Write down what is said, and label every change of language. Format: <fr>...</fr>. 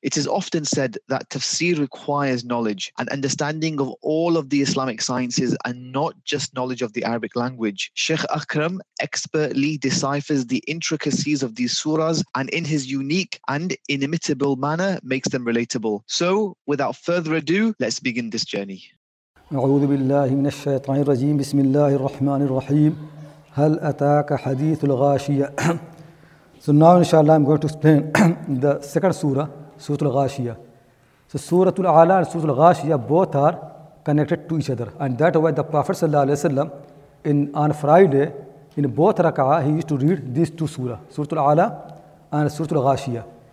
<en>It is often said that tafsir requires knowledge and understanding of all of the Islamic sciences and not just knowledge of the Arabic language. Sheikh Akram expertly deciphers the intricacies of these surahs and in his unique and inimitable manner makes them relatable. So, without further ado, let's begin this journey.</en> <ar>أعوذ بالله من الشيطان الرجيم بسم الله الرحمن الرحيم هل أتاك حديث الغاشية.</ar> <en>So now, inshallah, I'm going to explain the second surah, Surah Al-Ghashiya. So Surah Al-Ala and Surah Al-Ghashiya both are connected to each other. And that why the Prophet sallallahu alayhi wa sallam, on Friday, in both rak'ah, he used to read these two surah, Surah Al-Ala and Surah Al-Ghashiya.</en>